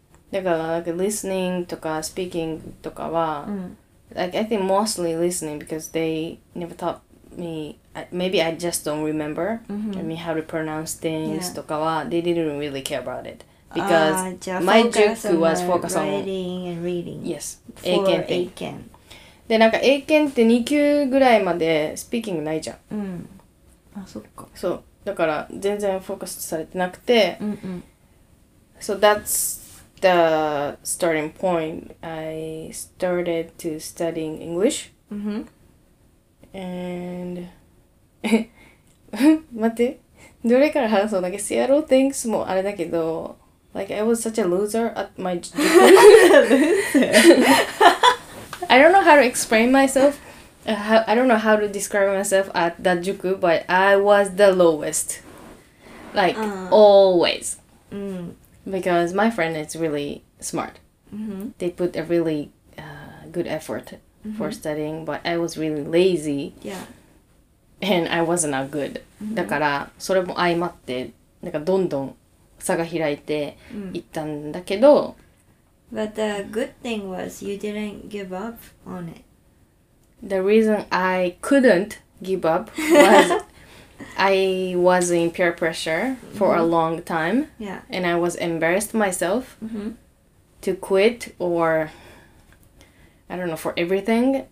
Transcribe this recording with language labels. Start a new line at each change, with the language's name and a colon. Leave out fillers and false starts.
Japanese: だから
English: like, listening
Japanese: とか
English: speaking
Japanese: とかは、 mm-hmm.
English: like, I think mostly listening because they never taught me maybe I just don't remember、 mm-hmm. I mean, how to pronounce things、yeah.
Japanese: とかは
English: they didn't really care about it because my juku was focused on writing and reading yes for Aiken, Aiken.
Japanese: で、なんか英検って2級ぐらいまでスピーキングないじゃん。うん。あ、そっか。そう。だから全然フォーカスされてなくて。うんうん。
English: So that's the starting point. I started to studying English. うん、う
Japanese: ん。
English: And...
Japanese: 待って。どれから話そうだっけ
English: Seattle thinks
Japanese: もあれだけど。
English: Like, I was such a loser at my... I don't know how to explain myself. I don't know how to describe myself at that juku, but I was the lowest. Like, always. Mm. Because my friend is really smart. Mm-hmm. They put a really good effort mm-hmm. for studying, but I was really lazy. Yeah. And I wasn't that good. Mm-hmm.
Japanese: だから、それも相まって、なんかどんどん差が開いていったんだけど、
English: But the good thing was you didn't give up on it. The reason I couldn't give up was I was in peer pressure for mm-hmm. a long time. Yeah. And I was embarrassed myself mm-hmm. to quit or, I don't know, for everything.